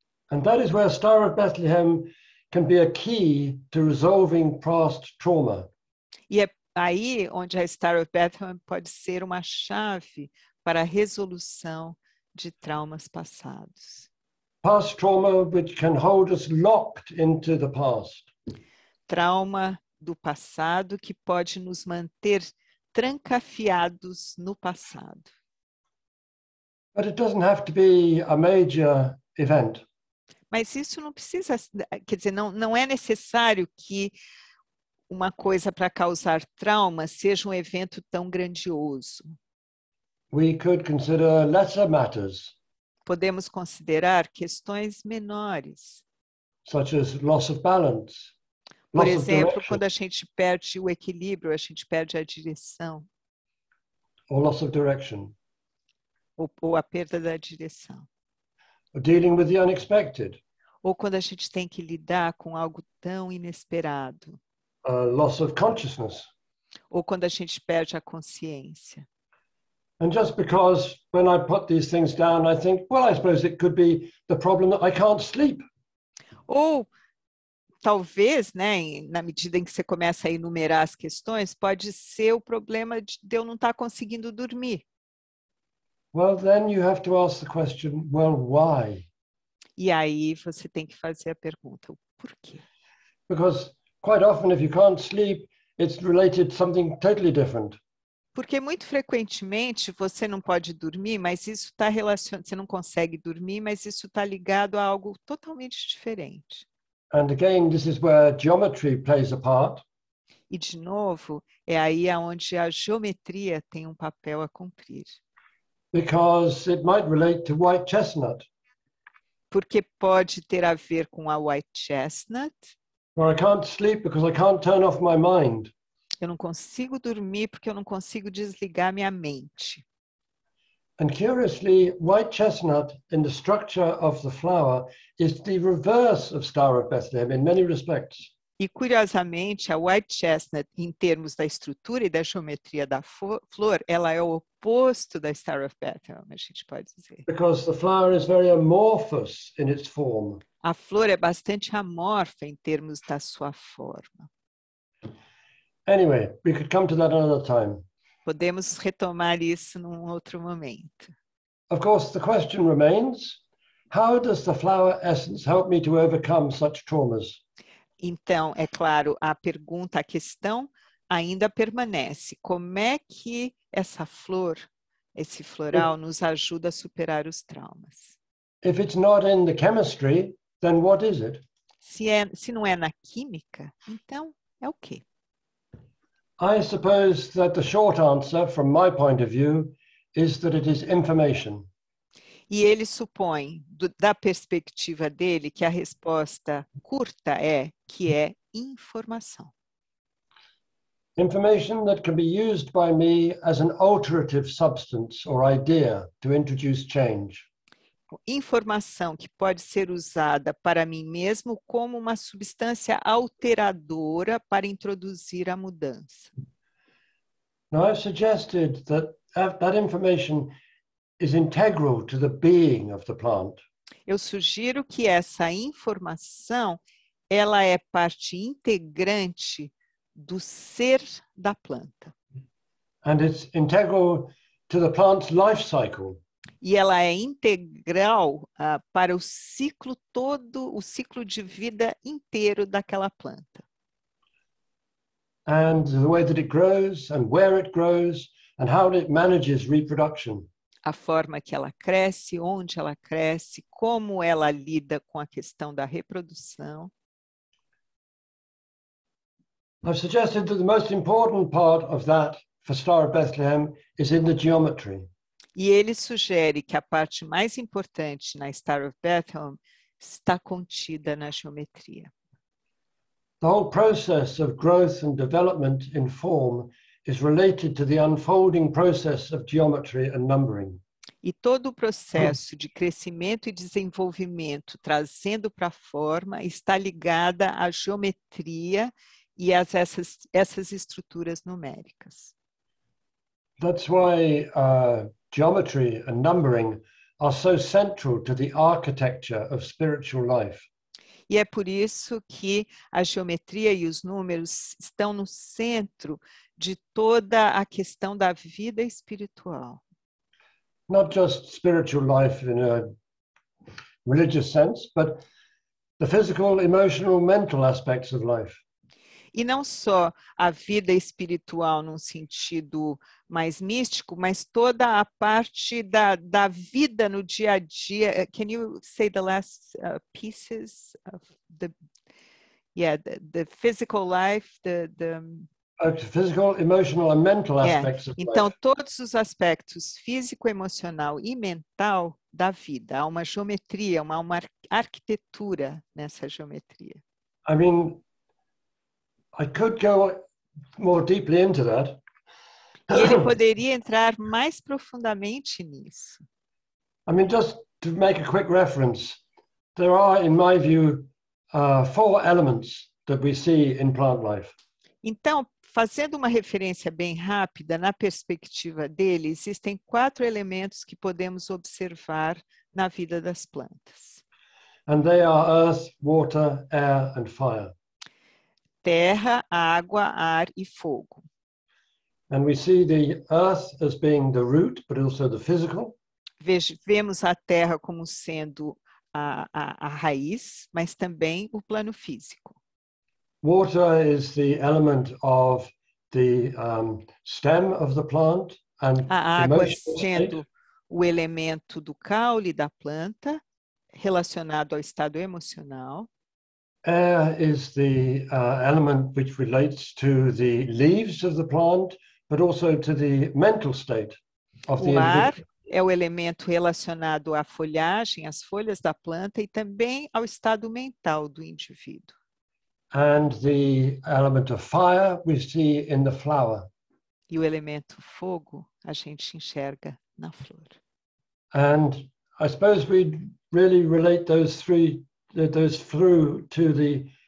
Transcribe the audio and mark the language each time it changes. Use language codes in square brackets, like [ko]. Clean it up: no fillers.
[en] And that is where Star of Bethlehem can be a key to resolving past trauma. [pt] E é aí onde a Star of Bethlehem pode ser uma chave para a resolução de traumas passados. [en] Past trauma which can hold us locked into the past. [pt] Trauma do passado que pode nos manter trancafiados no passado. [en] But it doesn't have to be a major event. [pt] Mas isso não precisa, quer dizer, não é necessário que uma coisa para causar trauma seja um evento tão grandioso. [en] We could consider lesser matters. [pt] Podemos considerar questões menores. [en] Such as loss of balance. [pt] Por exemplo, quando a gente perde o equilíbrio, a gente perde a direção. [en] Or loss of direction. [pt] Ou a perda da direção. [en] Or dealing with the unexpected. [pt] Ou quando a gente tem que lidar com algo tão inesperado. [en] A loss of consciousness. [pt] Ou quando a gente perde a consciência. [en] And just because when I put these things down, I think, well, I suppose it could be the problem that I can't sleep. [pt] Ou talvez, né, na medida em que você começa a enumerar as questões, pode ser o problema de eu não estar conseguindo dormir. [en] Well, then you have to ask the question, well, why? [pt] E aí você tem que fazer a pergunta, por quê? [en] Because quite often if you can't sleep, it's related to something totally different. [pt] Porque muito frequentemente você não pode dormir, mas isso está relacionado, você não consegue dormir, mas isso está ligado a algo totalmente diferente. [en] And again, this is where geometry plays a part. [pt] E de novo, é aí onde a geometria tem um papel a cumprir. [en] Because it might relate to white chestnut. [pt] Porque pode ter a ver com a white chestnut. [en] Or I can't sleep because I can't turn off my mind. [pt] Eu não consigo dormir porque eu não consigo desligar minha mente. [en] And curiously, white chestnut in the structure of the flower is the reverse of Star of Bethlehem in many respects. [pt] E, curiosamente, a white chestnut, em termos da estrutura e da geometria da flor, ela é o oposto da Star of Bethlehem, a gente pode dizer. [en] Because the flower is very amorphous in its form. [pt] A flor é bastante amorfa em termos da sua forma. [en] Anyway, we could come to that another time. [pt] Podemos retomar isso num outro momento. [en] Of course, the question remains, how does the flower essence help me to overcome such traumas? [pt] Então, é claro, a pergunta, a questão ainda permanece. Como é que essa flor, esse floral, nos ajuda a superar os traumas? [en] If it's not in the chemistry, then what is it? [pt] Se não é na química, então é o quê? [en] I suppose that the short answer, from my point of view, is that it is information. [pt] E ele supõe, da perspectiva dele, que a resposta curta é que é informação. [en] Information that can be used by me as an alterative substance or idea to introduce change. [pt] Informação que pode ser usada para mim mesmo como uma substância alteradora para introduzir a mudança. [en] Now I've suggested that information is integral to the being of the plant. [pt] Eu sugiro que essa informação, ela é parte integrante do ser da planta. [en] And it's integral to the plant's life cycle. [pt] E ela é integral para o ciclo todo, o ciclo de vida inteiro daquela planta. [en] And the way that it grows, and where it grows, and how it manages reproduction. [pt] A forma que ela cresce, onde ela cresce, como ela lida com a questão da reprodução. [en] I've suggested that the most important part of that for Star of Bethlehem is in the geometry. [pt] E ele sugere que a parte mais importante na Star of Bethlehem está contida na geometria. [en] The whole process of growth and development in form is related to the unfolding process of geometry and numbering. [pt] E todo o processo de crescimento e desenvolvimento trazendo para a forma está ligada à geometria e às essas estruturas numéricas. [en] That's why geometry and numbering are so central to the architecture of spiritual life. [pt] E é por isso que a geometria e os números estão no centro de toda a questão da vida espiritual. [en] Not just spiritual life in a religious sense, but the physical, emotional, mental aspects of life. [pt] E não só a vida espiritual num sentido mais místico, mas toda a parte da vida no dia a dia. [en] Can you say the last pieces of the physical life, physical, emotional and mental aspects of life. [pt] Então todos os aspectos físico, emocional e mental da vida. Há uma geometria, uma arquitetura nessa geometria. [en] I mean, I could go more deeply into that. [pt] E ele poderia entrar mais profundamente nisso. [en] I mean, just to make a quick reference, there are, in my view, four elements that we see in plant life. [pt] Então, fazendo uma referência bem rápida, na perspectiva dele, existem quatro elementos que podemos observar na vida das plantas. [en] And they are earth, water, air and fire. [pt] Terra, água, ar e fogo. [en] And we see the earth as being the root, but also the physical. [pt] Vemos a terra como sendo a raiz, mas também o plano físico. [en] Water is the element of the stem of the plant and [pt] a água sendo o elemento do caule da planta relacionado ao estado emocional. [en] Air is the element which relates to the leaves of the plant, but also to the mental state of the individual. [pt] O ar é o elemento relacionado à folhagem, às folhas da planta e também ao estado mental do indivíduo. [en] And the element of fire we see in the flower. [pt] E o elemento fogo a gente enxerga na flor. [en] And I suppose we'd really relate those three, those through to the